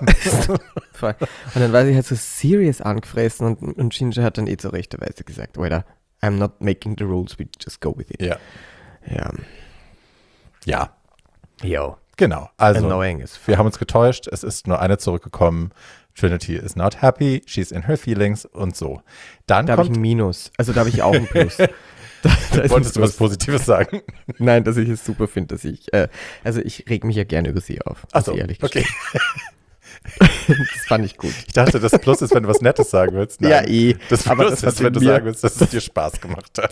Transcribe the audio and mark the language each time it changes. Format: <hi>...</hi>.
<de>Und dann war sie halt so serious angefressen und Ginger hat dann eh zu rechter Weise gesagt, Alter,</de> <en>I'm not making the rules, we just go with it.</en> <de>Ja. Ja. Ja. Yo. Genau. Also,</de> <en>annoying is fun.</en> <de>Wir haben uns getäuscht. Es ist nur eine zurückgekommen.</de> <en>Trinity is not happy, she's in her feelings</en> <de>und so. Dann da habe ich ein Minus, also da habe ich auch ein Plus. Wolltest du was Positives sagen? Nein, dass ich es super finde, dass ich, also ich reg mich ja gerne über sie auf. Achso, ehrlich okay. Das fand ich gut. Ich dachte, das Plus ist, wenn du was Nettes sagen willst. Nein, ja, eh. Das Plus das ist, wenn du sagen willst, dass es dir Spaß gemacht hat.</de>